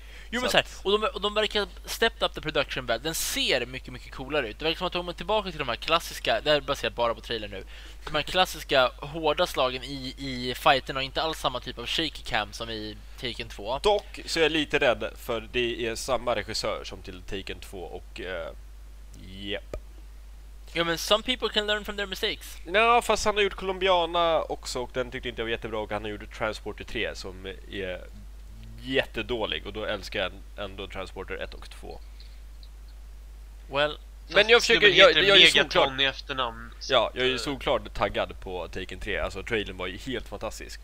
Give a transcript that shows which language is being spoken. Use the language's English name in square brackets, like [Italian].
[Swedish] Jo, men så här, och de verkar [English] stepped up the production [Swedish] väl. Den ser mycket, mycket coolare ut. Det verkar som att de är tillbaka till de här klassiska, det här är baserat bara på trailern nu, de här klassiska hårda slagen i fighten, och inte alls samma typ av shaky cam som i Taken 2. Dock så är jag lite rädd, för det är samma regissör som till Taken 2 och yep. Ja, men [English] some people can learn from their mistakes. [Swedish] Ja, no, fast han har gjort Colombiana också, och den tyckte inte jag var jättebra. Och han har gjort Transporter 3 som är jättedålig, och då älskar jag ändå Transporter 1 och 2. [English] Well, [Swedish] men jag försöker, jag är ju efternamn. Ja, jag är ju såklart taggad på Taken 3. Alltså, trailern var ju helt fantastisk.